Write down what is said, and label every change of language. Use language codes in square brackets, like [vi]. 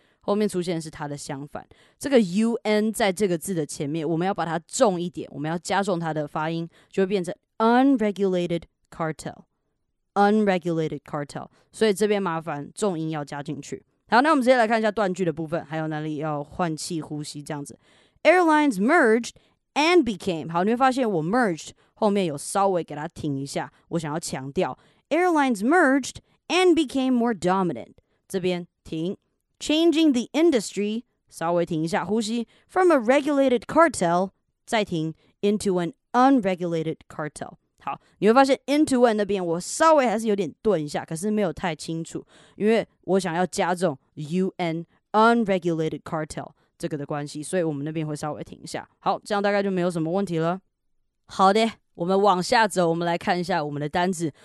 [zh] 后面出现的是它的相反，这个 U N 在这个字的前面，我们要把它重一点，我们要加重它的发音，就会变成 unregulated cartel，unregulated cartel。所以这边麻烦重音要加进去。好，那我们直接来看一下断句的部分，还有哪里要换气呼吸这样子。 [en] Airlines merged and became， [zh] 好，你会发现我 merged 后面有稍微给它停一下，我想要强调 [en] Airlines merged and became more dominant， [zh] 这边停。 [en] Changing the industry, [zh] 稍微停一下呼吸, [en] from a regulated cartel, [zh] 再停, [en] into an unregulated cartel. [zh] 好，你会发现 end-to-end 那边我稍微还是有点顿一下，可是没有太清楚，因为我想要加重 UN unregulated cartel 这个的关系，所以我们那边会稍微停一下。好，这样大概就没有什么问题了。好的，我们往下走，我们来看一下我们的单字。